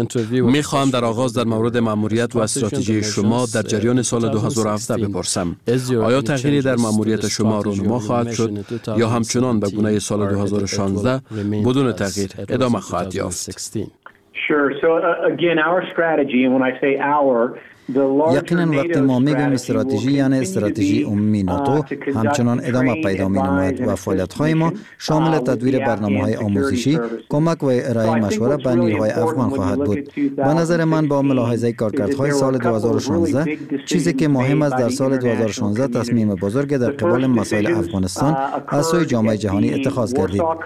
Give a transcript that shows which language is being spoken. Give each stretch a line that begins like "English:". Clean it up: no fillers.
Persian: می‌خواهم در آغاز در مورد ماموریت و استراتژی شما در جریان سال 2017 بپرسم. آیا تغییری در ماموریت شما رونما خواهد شد یا همچنان به گونه سال 2016 بدون تغییر ادامه خواهد یافت؟
English: Sure. So again, our strategy, and when I say our,
Persian: یقیناً وقتی ما میگویم استراتژی یعنی استراتژی عمومی ناتو همچنان ادامه پیدا می نماید و فعالیت های ما شامل تدویر برنامه های آموزشی، کمک و ارائه مشوره به نیروهای افغان خواهد بود. به نظر من با ملاحظه کارکردهای سال 2016 چیزی که مهم است در سال 2016 تصمیم بزرگ در قبال مسائل افغانستان از سوی جامعه جهانی اتخاذ گردید.